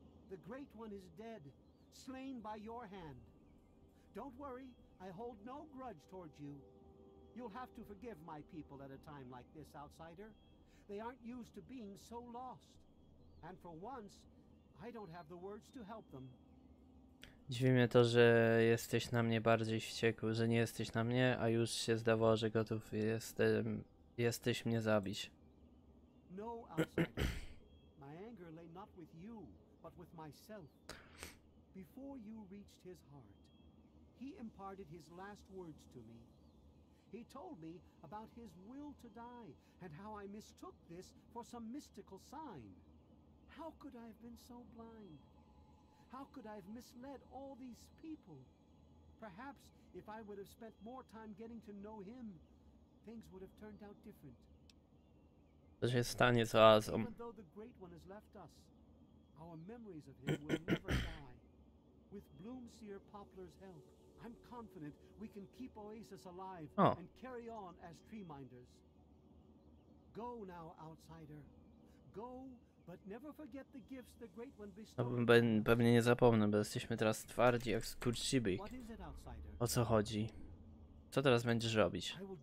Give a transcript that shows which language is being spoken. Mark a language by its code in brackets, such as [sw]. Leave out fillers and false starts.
[en] The great one is dead, slain by your hand. Don't worry, I hold no grudge towards you. You'll have to forgive my people at a time like this, outsider. They aren't used to being so lost. And for once, I don't have the words to help them. [pl] Dziwi mnie to, że jesteś na mnie bardziej wściekły, że nie jesteś na mnie, a już się zdawało, że gotów jesteś mnie zabić. [en] No, my anger lay not with you, but with myself. Before you reached his heart, he imparted his last words to me. He told me about his will to die and how I mistook this for some mystical sign. How could I have been so blind? How could I have misled all these people? Perhaps if I would have spent more time getting to know him, things would have turned out different. Even though the Great One has left us, our memories of him will never die. With Bloomseer Poplar's help, I'm confident we can keep Oasis alive and carry on as Treeminders. Go now, outsider. Go. But never forget the gifts the Great One bestowed. [pl] Pewnie nie zapomnę, bo jesteśmy teraz twardzi jak skurczybyk. O co chodzi? Co teraz będziesz robić?